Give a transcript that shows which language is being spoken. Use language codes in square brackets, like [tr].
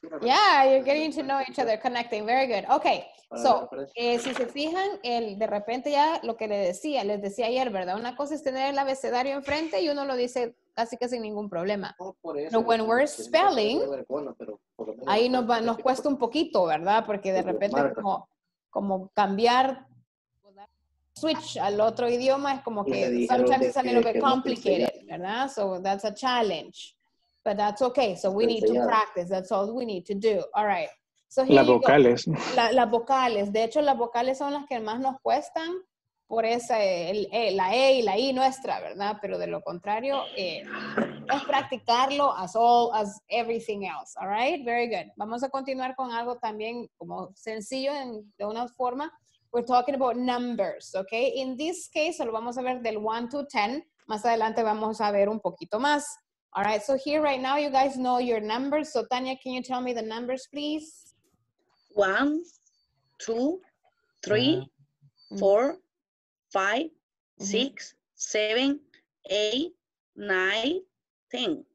[en] Yeah, you're getting to know each other, connecting. Very good. Okay, so, [es] si se fijan, de repente ya lo que les decía ayer, ¿verdad? Una cosa es tener el abecedario enfrente y uno lo dice casi que sin ningún problema. No, [en] when we're spelling, [es] ahí nos cuesta un poquito, ¿verdad? Porque de repente como cambiar, switch al otro idioma es como que [en] sometimes it's a little bit complicated, [es] ¿verdad? [en] So that's a challenge. But that's okay. So we need to practice. That's all we need to do. All right. So here [es] las vocales. Las vocales. De hecho, las vocales son las que más nos cuestan. Por esa, la E y la I nuestra, ¿verdad? Pero de lo contrario, es practicarlo [en] as everything else, all right? Very good. [es] Vamos a continuar con algo también como sencillo de una forma. [en] We're talking about numbers, okay? In this case, [es] lo vamos a ver del [en] 1 to 10. [es] Más adelante vamos a ver un poquito más. [en] All right, so here right now you guys know your numbers. So Tanya, can you tell me the numbers, please? 1, 2, 3, 4, 5, 6, 7, 8, 9, 10.